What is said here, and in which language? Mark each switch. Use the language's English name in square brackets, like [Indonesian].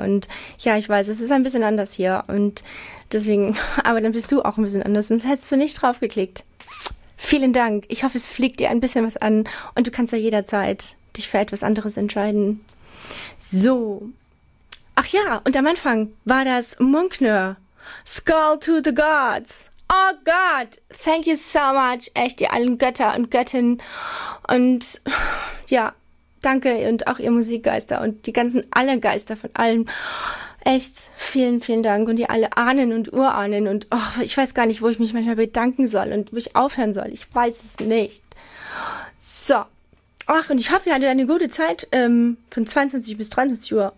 [German] Und ja, ich weiß, es ist ein bisschen anders hier und deswegen, aber dann bist du auch ein bisschen anders, sonst hättest du nicht draufgeklickt. Vielen Dank. Ich hoffe, es fliegt dir ein bisschen was an und du kannst ja jederzeit dich für etwas anderes entscheiden. So. Ach ja, und am Anfang war das Munkner. [English] Skull to the Gods. [German] Oh Gott, [English] thank you so much. [German] Echt, ihr allen Götter und Göttinnen. Und ja, danke. Und auch ihr Musikgeister und die ganzen alle Geister von allen. Echt, vielen, vielen Dank. Und ihr alle Ahnen und Urahnen. Und oh, ich weiß gar nicht, wo ich mich manchmal bedanken soll und wo ich aufhören soll. Ich weiß es nicht. So. Ach, und ich hoffe, ihr hattet eine gute Zeit von 22 bis 23 Uhr.